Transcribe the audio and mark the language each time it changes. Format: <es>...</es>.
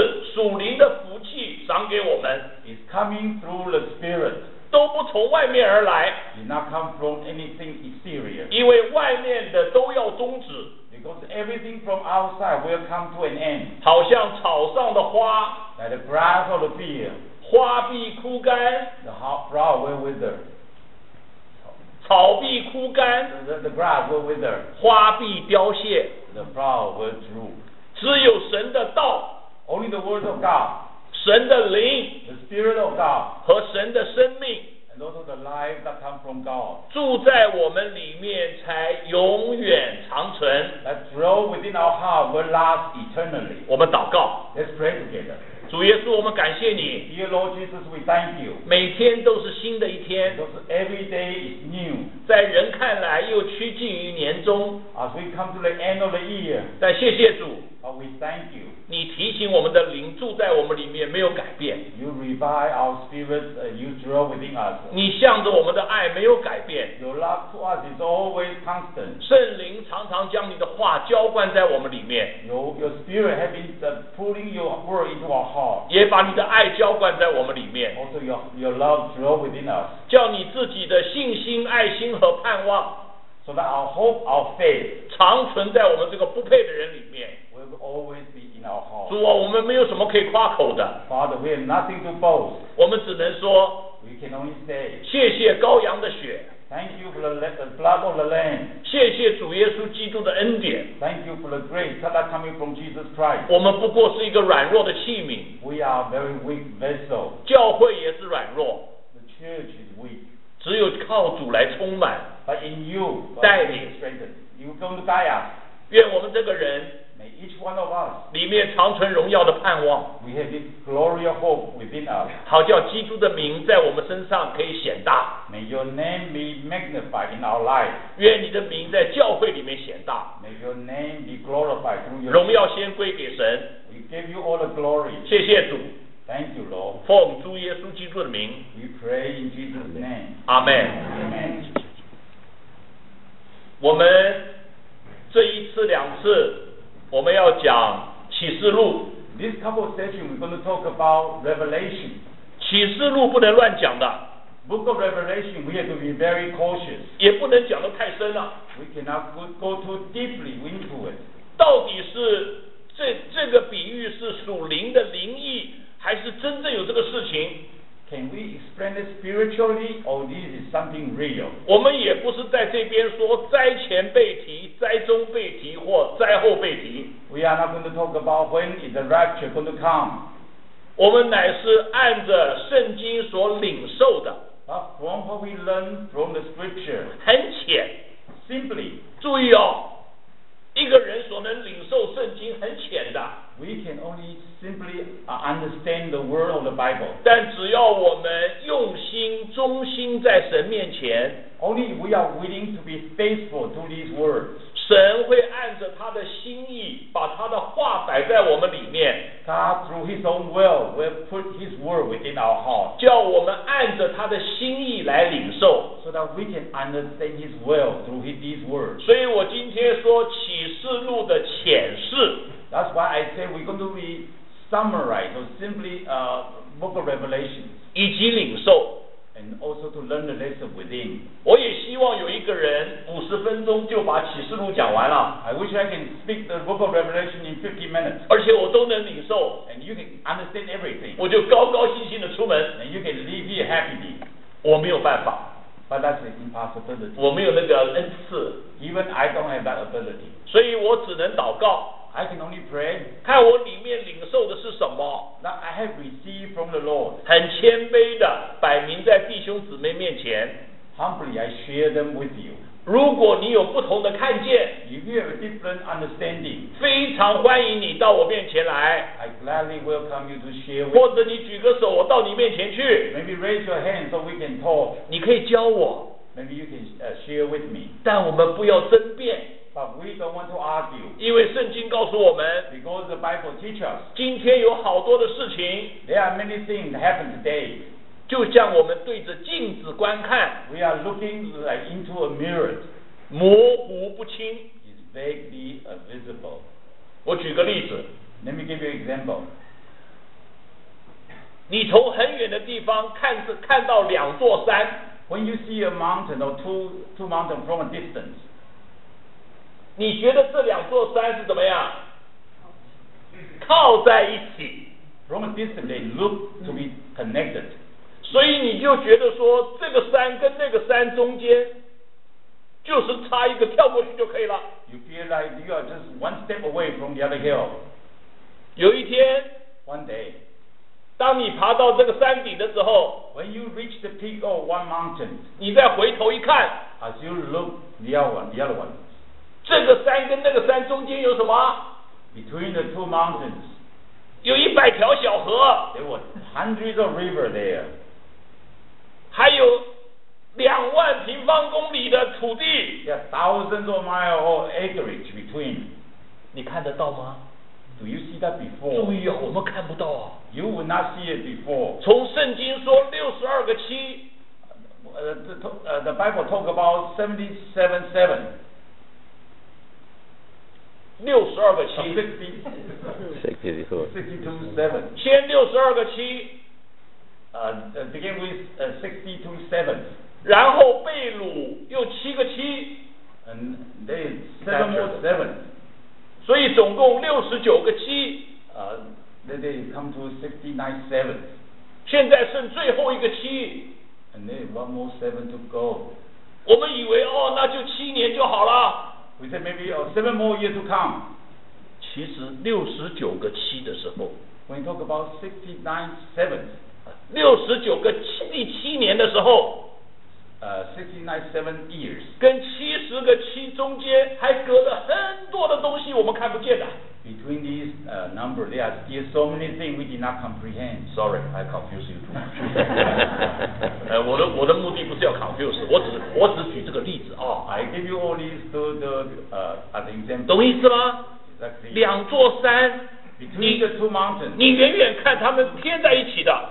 <zh>只有从圣灵所赐属灵的福气赏给我们。</zh> <en>It's coming through the Spirit.</en> <zh>都不从外面而来。</zh> <en>Did not come from anything exterior.</en> <zh>因为外面的都要终止。</zh> <en>Because everything from outside will come to an end.</en> <zh>好像草上的花。</zh> <en>Like the grass or the field.</en> <zh>花必枯干。</zh> <en>The flower will wither.</en> <zh>草必枯干。</zh> <en>The grass will wither.</en> <zh>花必凋谢。</zh> <en>The flower will droop.</en> <zh>只有神的道。</zh> <en>Only the word of God.</en> <zh>神的灵，</zh> <en>the Spirit of God，</en> <zh>和神的生命，</zh> <en>and also the life that come from God，</en> <zh>住在我们里面才永远长存，</zh> <en>that dwell within our heart will last eternally。</en> <zh>我们祷告，</zh> <en>let's pray together。</en> <zh>主耶稣，我们感谢你。</zh> <en>Dear Lord Jesus, we thank you。</en> <zh>每天都是新的一天。</zh> <en>Because every day is new。</en> <zh>在人看来又趋近于年终。</zh> <en>As we come to the end of the year。</en> <zh>但谢谢主。</zh> <en>But we thank you.</en> <zh>你提醒我们的灵住在我们里面没有改变。</zh> <en>You revive our spirit, you dwell within us.</en> <zh>你向着我们的爱没有改变。</zh> <en>Your love to us is always constant.</en> <zh>圣灵常常将你的话浇灌在我们里面。</zh> <en>Your spirit has been putting your word into our heart.</en> <zh>也把你的爱浇灌在我们里面。</zh> <en>Also your love dwell within us.</en> <zh>叫你自己的信心、爱心和盼望。</zh> <en>So that our hope, our faith,</en> <zh>常存在我们这个不配的人里面。</zh> <en>Always be in our heart.</en> <zh>主啊，我们没有什么可以夸口的。</zh> <en>Father, we have nothing to boast.</en> <zh>我们只能说，</zh> <en>we can only say,</en> <zh>谢谢羔羊的血。</zh> <en>Thank you for the blood of the Lamb.</en> <zh>谢谢主耶稣基督的恩典。</zh> <en>Thank you for the grace that are coming from Jesus Christ.</en> <zh>我们不过是一个软弱的器皿。</zh> <en>We are very weak vessel.</en> <zh>教会也是软弱。</zh> <en>The church is weak.</en> <zh>只有靠主来充满。</zh> <en>But in you, God,</en> <zh>带领，</zh> <en>you come to guide us.</en> <zh>愿我们这个人，</zh> <en>may each one of us,</en> <zh>里面长存荣耀的盼望，</zh> <en>we have this glorious hope within us,</en> <zh>好叫基督的名在我们身上可以显大，</zh> <en>may your name be magnified in our life,</en> <zh>愿你的名在教会里面显大，</zh> <en>may your name be glorified through your,</en> <zh>荣耀先归给神，</zh> <en>we give you all the glory,</en> <zh>谢谢主，</zh> <en>thank you Lord,</en> <zh>奉主耶稣基督的名，</zh> <en>we pray in Jesus' name, Amen. Amen.</en> <zh>我们这一次两次，我们要讲启示录。</zh> <en>This couple session we're going to talk about Revelation.</en> <zh>启示录不能乱讲的。</zh> <en>Book of Revelation, we have to be very cautious.</en> <zh>也不能讲得太深了。</zh> <en>We cannot go too deeply into it.</en> <zh>到底是这个比喻是属灵的灵异，还是真正有这个事情？</zh> <en>Can we explain it spiritually, or this is something real?</en> <zh>我们也不是在这边说灾前被提、灾中被提或灾后被提。</zh> <en>We are not going to talk about when is the rapture going to come.</en> <zh>我们乃是按着圣经所领受的。</zh> <en>But from what we learn from the scripture,</en> <zh>很浅</zh> <en>，simply.</en> <zh>注意哦，一个人所能领受圣经很浅的。</zh> <en>We can only simply understand the word of the Bible.</en> <zh>但只要我们用心、忠心在神面前</zh> <en>，only we are willing to be faithful to these words.</en> <zh>神会按着他的心意，把他的话摆在我们里面。</zh> <en>God through His own will put His word within our heart.</en> <zh>叫我们按着他的心意来领受</zh> <en>，so that we can understand His will through these words.</en> <zh>所以我今天说启示录的浅释。</zh> <en>That's why I say we're going to be summarized or simply book of Revelation.</en> <zh>以及领受。</zh> <en>And also to learn the lesson within.</en> <zh>我也希望有一个人五十分钟就把启示录讲完了。</zh> <en>I wish I can speak the book of Revelation in 50 minutes.</en> <zh>而且我都能领受。</zh> <en>And you can understand everything.</en> <zh>我就高高兴兴的出门。</zh> <en>And you can leave here happily.</en> <zh>我没有办法。</zh> <en>But that's an impossibility.</en> <zh>我没有那个恩赐。</zh> <en>Even I don't have that ability.</en> <zh>所以我只能祷告。</zh> <en>I can only pray.</en> <zh>看我里面领受的是什么。</zh> <en>Now I have received from the Lord.</en> <zh>很谦卑的摆明在弟兄姊妹面前。</zh> <en>Humbly I share them with you.</en> <zh>如果你有不同的看见，</zh> <en>If you have a different understanding,</en> <zh>非常欢迎你到我面前来。</zh> <en>I gladly welcome you to share with.</en> <zh>或者你举个手，我到你面前去。</zh> <en>Maybe raise your hand so we can talk.</en> <zh>你可以教我。</zh> <en>Maybe you can share with me.</en> <zh>但我们不要争辩。</zh> <en>But we don't want to argue.</en> <zh>因为圣经告诉我们，</zh> <en>Because the Bible teaches us.</en> <zh>今天有好多的事情，</zh> <en>There are many things that happen today.</en> <zh>就像我们对着镜子观看，</zh> <en>We are looking like into a mirror.</en> <zh>模糊不清，</zh> <en>It's vaguely visible.</en> <zh>我举个例子，</zh> <en>Let me give you an example.</en> <zh>你从很远的地方 看到两座山，</zh> <en>When you see a mountain or two mountains from a distance,</en> <zh>你觉得这两座山是怎么样？靠在一起。</zh> <en>From a distance, they look to be connected.</en> <zh>所以你就觉得说，这个山跟那个山中间，就是差一个跳过去就可以了。</zh> <en>You feel like you are just one step away from the other hill.</en> <zh>有一天</zh> <en>，One day，</en> <zh>当你爬到这个山顶的时候</zh> <en>，When you reach the peak of one mountain，</en> <zh>你再回头一看</zh> <en>，As you look the other one。</en> <zh>这个山跟那个山中间有什么？</zh> <en>Between the two mountains,</en> <zh>有一百条小河。</zh> <en>There were hundreds of rivers there.</en> <zh>还有两万平方公里的土地。</zh> <en>There are thousands of miles of acreage between.</en> <zh>你看得到吗？</zh> <en>Do you see that before?</en> <zh>注意啊，我们看不到啊。</zh> <en>You would not see it before.</en> <zh>从圣经说六十二个七。</zh> <en>The Bible talk about 77 sevens.</en> <zh>六十二个七</zh> <en>，62 sevens.</en> <zh>先六十二个七</zh> <en>，begin with 62 sevens.</en> <zh>然后贝鲁又七个七</zh> <en>，and there is 7 more sevens.</en> <zh>所以总共六十九个七</zh> <en>，then they come to 69 sevens.</en> <zh>现在剩最后一个七</zh> <en>，and there is 1 more seven to go.</en> <zh>我们以为哦，那就七年就好了。</zh> <en>We said maybe seven more years to come.</en> <zh>其实六十九个七的时候</zh> <en>，When you talk about 69 sevens,</en> <zh>六十九个七第七年的时候</zh> <en>，69 seven years,</en> <zh>跟七十个七中间还隔了很多的东西我们看不见的。</zh> <en>Between these numbers, there are still so many things we did not comprehend. Sorry, I confuse you too much.</en> <zh>我的目的不是要 confuse， 我只举这个例子啊。</zh> <en>I give you all these to the as an example.</en> <zh>懂意思吗？</zh> <en>Exactly.</en> <zh>两座山，</zh> <en>between the two mountains.</en> <zh>你远远看，它们贴在一起的。</zh>